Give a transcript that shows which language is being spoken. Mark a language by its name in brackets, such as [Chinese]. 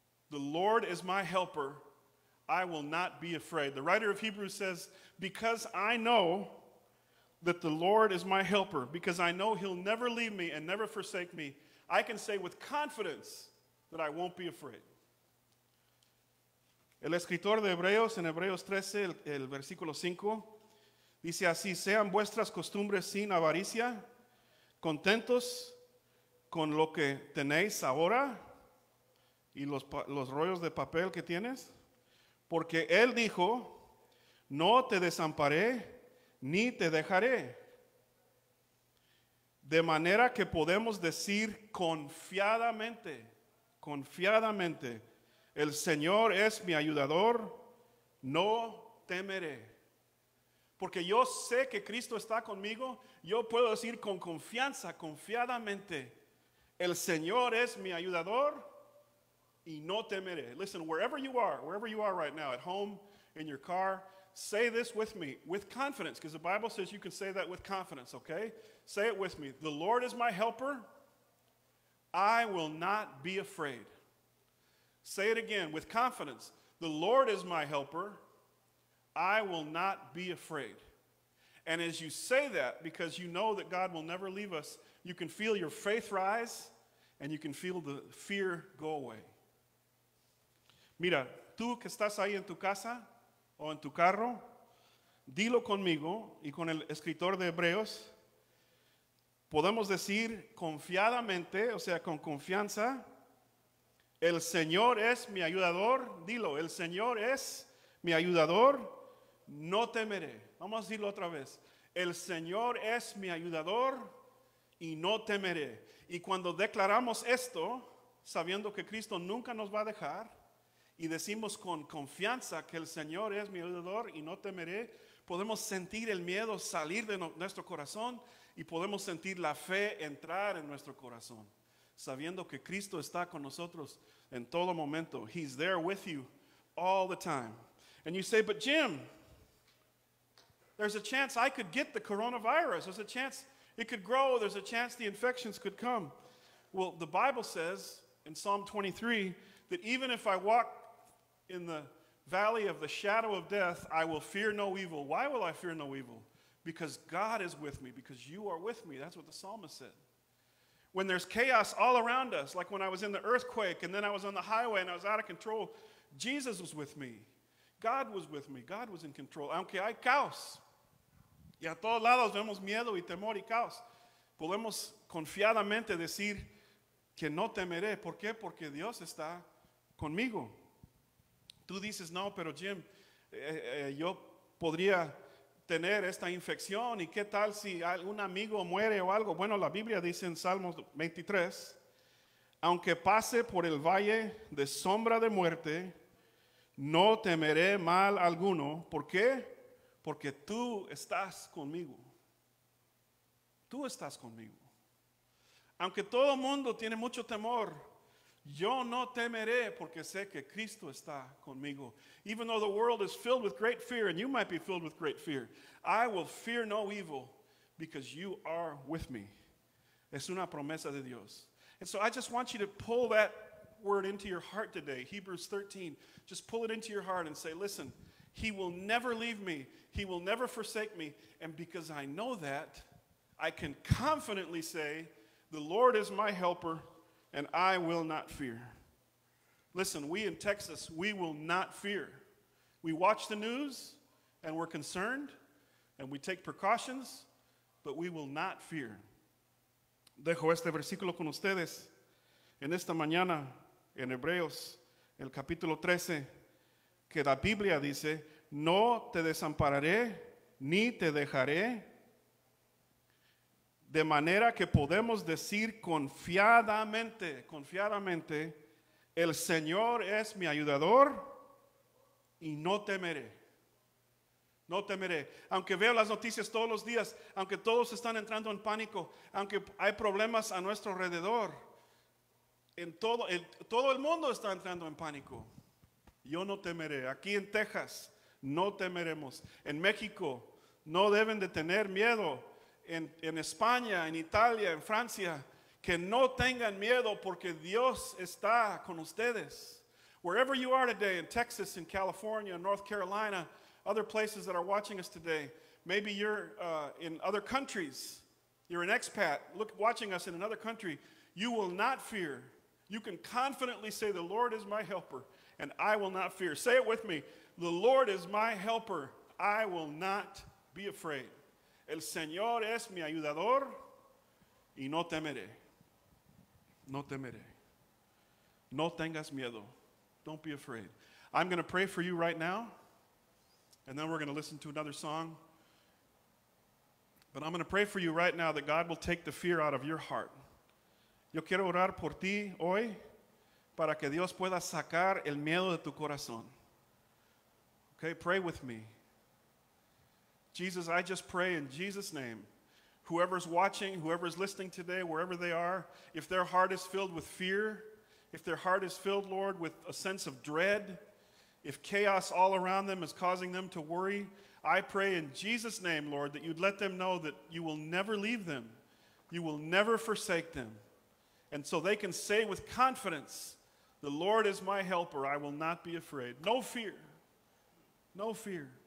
[English] The Lord is my helper, I will not be afraid. The writer of Hebrews says, because I know that the Lord is my helper, because I know he'll never leave me and never forsake me, I can say with confidence that I won't be afraid. [Spanish] El escritor de Hebreos, en Hebreos 13, el versículo 5, dice así, sean vuestras costumbres sin avaricia, contentos con lo que tenéis ahora y los rollos de papel que tienes, porque él dijo, no te desamparé ni te dejaré, de manera que podemos decir confiadamente, confiadamente, el Señor es mi ayudador, no temeré. Porque yo sé que Cristo está conmigo, yo puedo decir con confianza, confiadamente, el Señor es mi ayudador y no temeré. [English] Listen, wherever you are right now, at home, in your car, say this with me, with confidence, because the Bible says you can say that with confidence, okay? Say it with me. The Lord is my helper, I will not be afraid. Say it again with confidence. The Lord is my helper. I will not be afraid. And as you say that, because you know that God will never leave us, you can feel your faith rise and you can feel the fear go away. [Spanish] Mira, tú que estás ahí en tu casa o en tu carro, dilo conmigo y con el escritor de Hebreos. Podemos decir confiadamente, o sea, con confianza, el Señor es mi ayudador. Dilo, el Señor es mi ayudador, no temeré. Vamos a decirlo otra vez. El Señor es mi ayudador y no temeré. Y cuando declaramos esto, sabiendo que Cristo nunca nos va a dejar, y decimos con confianza que el Señor es mi ayudador y no temeré, podemos sentir el miedo salir de nuestro corazón y podemos sentir la fe entrar en nuestro corazón, sabiendo que Cristo está con nosotros en todo momento. [English] He's there with you all the time. And you say, but Jim, there's a chance I could get the coronavirus. There's a chance it could grow. There's a chance the infections could come. Well, the Bible says in Psalm 23 that even if I walk in the valley of the shadow of death, I will fear no evil. Why will I fear no evil? Because God is with me, because you are with me. That's what the psalmist said. When there's chaos all around us, like when I was in the earthquake and then I was on the highway and I was out of control, Jesus was with me. God was with me. God was in control. [Spanish] Aunque hay caos, y a todos lados vemos miedo y temor y caos, podemos confiadamente decir que no temeré. ¿Por qué? Porque Dios está conmigo. Tú dices, no, pero Jim, yo podría tener esta infección, ¿y qué tal si un amigo muere o algo? Bueno, la Biblia dice en Salmos 23, aunque pase por el valle de sombra de muerte, no temeré mal alguno. ¿Por qué? Porque tú estás conmigo. Tú estás conmigo. Aunque todo mundo tiene mucho temor, yo no temeré porque sé que Cristo está conmigo. [English] Even though the world is filled with great fear, and you might be filled with great fear, I will fear no evil because you are with me. [Spanish] Es una promesa de Dios. [English] And so I just want you to pull that word into your heart today. Hebrews 13. Just pull it into your heart and say, listen, he will never leave me. He will never forsake me. And because I know that, I can confidently say, the Lord is my helper, and I will not fear. Listen, we in Texas, we will not fear. We watch the news, and we're concerned, and we take precautions, but we will not fear. [Spanish] Dejo este versículo con ustedes en esta mañana, en Hebreos, el capítulo 13, que la Biblia dice, no te desampararé, ni te dejaré, de manera que podemos decir confiadamente, confiadamente, el Señor es mi ayudador y no temeré. No temeré. Aunque veo las noticias todos los días, aunque todos están entrando en pánico, aunque hay problemas a nuestro alrededor, todo el mundo está entrando en pánico. Yo no temeré. Aquí en Texas no temeremos. En México no deben de tener miedo. En España, en Italia, en Francia, que no tengan miedo porque Dios está con ustedes. [English] Wherever you are today, in Texas, in California, North Carolina, other places that are watching us today, maybe you're in other countries, you're an expat, look, watching us in another country, you will not fear. You can confidently say, the Lord is my helper, and I will not fear. Say it with me. The Lord is my helper. I will not be afraid. [Spanish] El Señor es mi ayudador y no temeré. No temeré. No tengas miedo. [English] Don't be afraid. I'm going to pray for you right now, and then we're going to listen to another song. But I'm going to pray for you right now that God will take the fear out of your heart. [Spanish] Yo quiero orar por ti hoy para que Dios pueda sacar el miedo de tu corazón. [English] Okay, pray with me. Jesus, I just pray in Jesus' name, whoever's watching, whoever's listening today, wherever they are, if their heart is filled with fear, if their heart is filled, Lord, with a sense of dread, if chaos all around them is causing them to worry, I pray in Jesus' name, Lord, that you'd let them know that you will never leave them, you will never forsake them, and so they can say with confidence, the Lord is my helper, I will not be afraid. No fear. No fear.